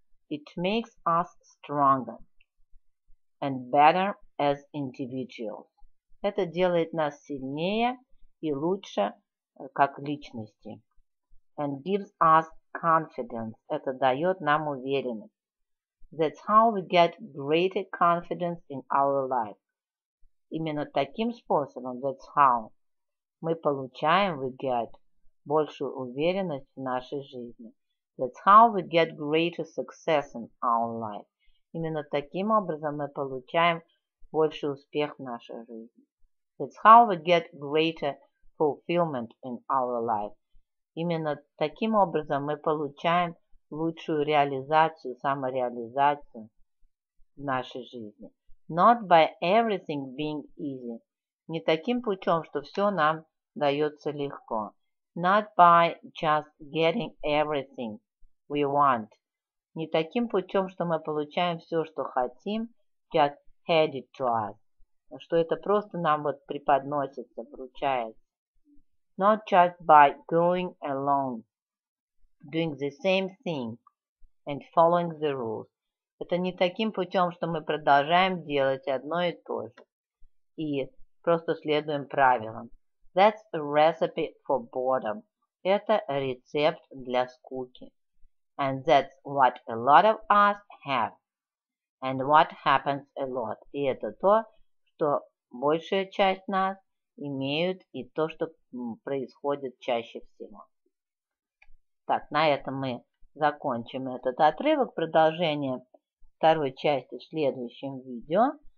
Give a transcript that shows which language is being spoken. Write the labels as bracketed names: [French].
[English] It makes us stronger and better as individuals. [Russian] Это делает нас сильнее и лучше как личности. [English] And gives us confidence. [Russian] Это дает нам уверенность. [English] That's how we get greater confidence in our life. [Russian] Именно таким способом, [English] that's how, [Russian] мы получаем, [English] we get, [Russian] большую уверенность в нашей жизни. [English] That's how we get greater success in our life. [Russian] Именно таким образом мы получаем больший успех в нашей жизни. [English] That's how we get greater fulfillment in our life. [Russian] Именно таким образом мы получаем лучшую реализацию, самореализацию в нашей жизни. [English] Not by everything being easy. [Russian] Не таким путем, что все нам дается легко. [English] Not by just getting everything we want. [Russian] Не таким путем, что мы получаем все, что хотим, [English] just headed to us. [Russian] Что это просто нам вот преподносится, вручается. [English] Not just by going alone, doing the same thing and following the rules. [Russian] Это не таким путем, что мы продолжаем делать одно и то же и просто следуем правилам. [English] That's a recipe for boredom. [Russian] Это рецепт для скуки. [English] And that's what a lot of us have. And what happens a lot. [Russian] И это то, что большая часть нас имеют и то, что происходит чаще всего. Так, на этом мы закончим этот отрывок. Продолжение второй части в следующем видео.